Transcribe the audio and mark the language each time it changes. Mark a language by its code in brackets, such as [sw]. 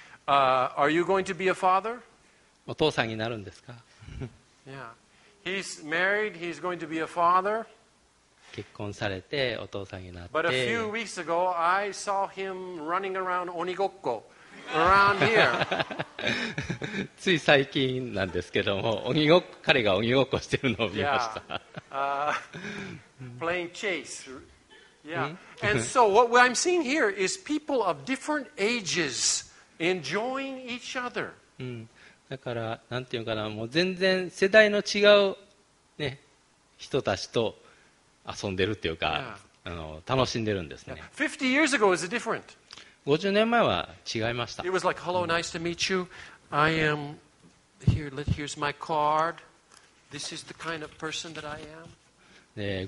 [en] Are you going to be a father? [ja] お父さんになるんですか。 [en] Yeah. He's married. He's going to be a father. [ja] 結婚されてお父さんになって。 [en] But a few weeks ago, I saw him running around Onigokko around here. [ja] つい最近なんですけども、彼が鬼ごっこしてるのを見ました。 [en] Yeah. playing chase. Yeah. And so what I'm seeing here is people of different ages enjoying each other. [ja] だから、なんていうかな、もう全然世代の違う、ね、人たちと遊んでるっていうか、yeah. 楽しんでるんですね。 [en] Yeah. 50 years ago is different. [ja] 50年前は違いました。 [en] It was like, hello, nice to meet you. I am here, here's my card. This is the kind of person that I am.